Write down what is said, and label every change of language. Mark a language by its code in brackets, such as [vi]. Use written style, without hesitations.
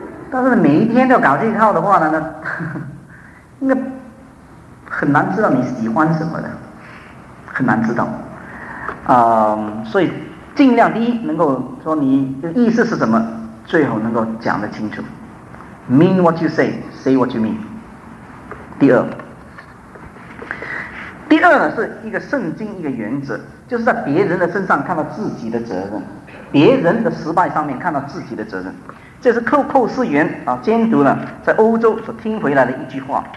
[zh] 但是每一天都搞这一套的话呢，那很难知道你喜欢什么的，很难知道所以尽量第一能够说你的意思是什么，最后能够讲得清楚。 [en] Mean what you say, say what you mean。 [zh] 第二呢，是一个圣经一个原则，就是在别人的身上看到自己的责任，别人的失败上面看到自己的责任。这是寇斯元啊，监督呢在欧洲所听回来的一句话。